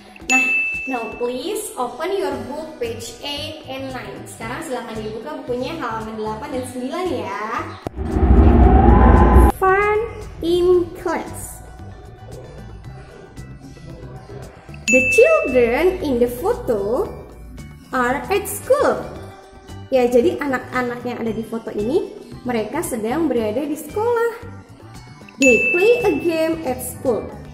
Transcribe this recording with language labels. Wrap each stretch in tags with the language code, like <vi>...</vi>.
<en>Nah, now please open your book page 8 and 9.</en> <id>Sekarang silakan dibuka bukunya halaman 8 dan 9 ya.</id> <en>Fun in class. The children in the photo are at school.</en> <id>Ya, jadi anak-anak yang ada di foto ini, mereka sedang berada di sekolah.</id> <en>They play a game at school.</en>